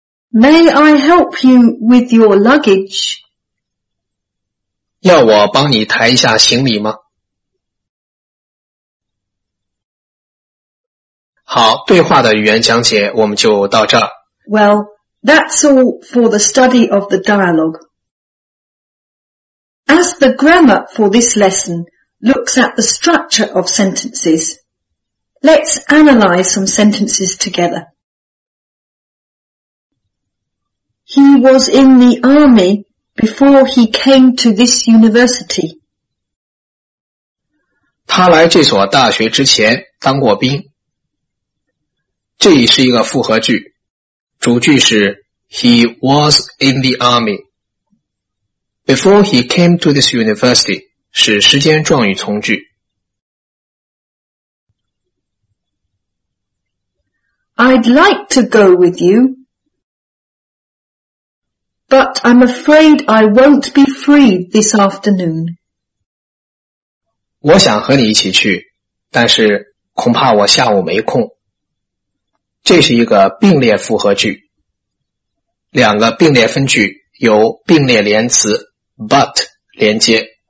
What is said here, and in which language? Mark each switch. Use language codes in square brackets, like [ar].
[en] May I help you with your luggage? [zh] 要我帮你抬一下行李吗？好，对话的语言讲解我们就到这儿。 [en] Well, that's all for the study of the dialogue. As the grammar for this lesson looks at the structure of sentences, let's analyze some sentences together. He was in the army before he came to this university. [zh] 他来这所大学之前当过兵。这里是一个复合句，主句是 [en] He was in the army. Before he came to this university [zh] 是时间状语从句。 [en] I'd like to go with you. But I'm afraid I won't be free this afternoon. [zh] 我想和你一起去，但是恐怕我下午没空。这是一个并列复合句，两个并列分句由并列连词 but 连接。